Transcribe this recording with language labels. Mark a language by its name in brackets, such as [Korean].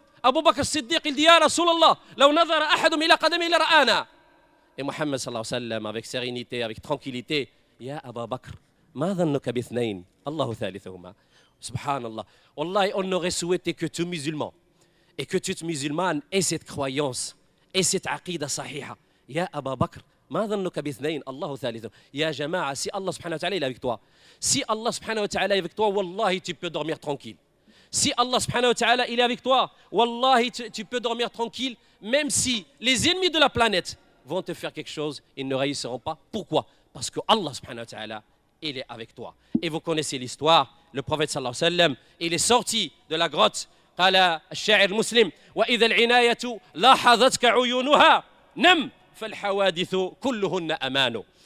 [Arabic] Abu Bakr Siddiq, [French] il dit, [Arabic] Ya Rasulallah, لو نظر أحد إلى قدمي لرآنا. [French] Et Mohammed sallallahu alayhi wa sallam, avec sérénité, avec tranquillité, [Arabic] Ya Abu Bakr, ما ظنك باثنين الله ثالثهما. [French] Subhanallah. Wallahi, on aurait souhaité que tout musulman et que toute musulmane ait cette croyance et cette aqida sahiha. [Arabic] Ya Abu Bakr, ما ظنك باثنين الله ثالثهما. [French] Ya jama'a, si Allah subhanahu wa ta'ala est avec toi, si Allah subhanahu wa ta'ala est avec toi, wallahi, tu peux dormir tranquille. Si Allah subhanahu wa ta'ala est avec toi, wallahi, tu peux dormir tranquille, même si les ennemis de la planète vont te faire quelque chose, ils ne réussiront pas. Pourquoi? Parce que Allah subhanahu wa ta'ala, il est avec toi. Et vous connaissez l'histoire, le prophète sallallahu alayhi wa sallam, il est sorti de la grotte, [Arabic] قال الشاعر المسلم, وَإِذَا الْعِنَايَةُ لَاحَظَتْكَ عُيُونُهَا نَمْ فَالْحَوَادِثُ كُلُّهُنَّ أَمَانُ.